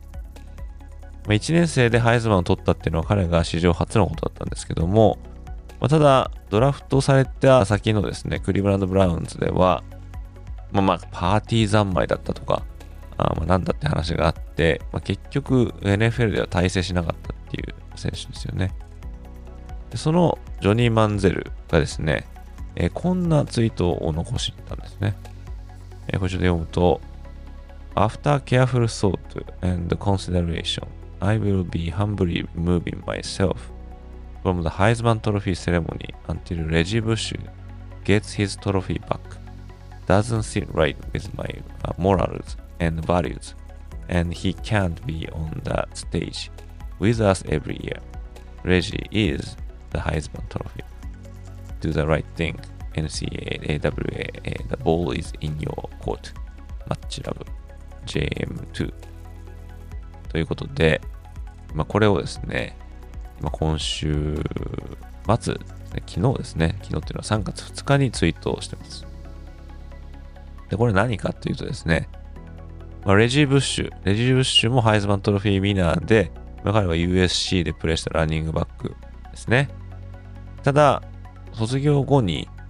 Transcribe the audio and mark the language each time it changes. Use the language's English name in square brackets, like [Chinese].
[Japanese] まあ、1年生でハイズマンを取ったっていうのは彼が史上初のことだったんですけども、まあ、ただ、ドラフトされた先のですね、クリーブランド・ブラウンズでは、まあまあ、パーティー三昧だったとか、まあなんだって話があって、まあ結局、NFL では大成しなかったっていう選手ですよね。でその、ジョニー・マンゼルがですね、こんなツイートを残していたんですね。こちらで読むと、 [English] After careful thought and consideration, I will be humbly removing myself. From the Heisman Trophy ceremony until Reggie Bush gets his trophy back doesn't seem right with my morals and values and he can't be on the stage with us every year. Reggie is the Heisman Trophy. Do the right thing. NCAA, AWAA, the ball is in your court. Much love. JM2. [Japanese] ということで、まあ、これをですね、まあ、今週末、昨日ですね。昨日っていうのは3月2日にツイートをしてます。で、これ何かっていうとですね、まあ、レジー・ブッシュもハイズマントロフィーウィナーで、まあ、彼は USC でプレーしたランニングバックですね。ただ、卒業後に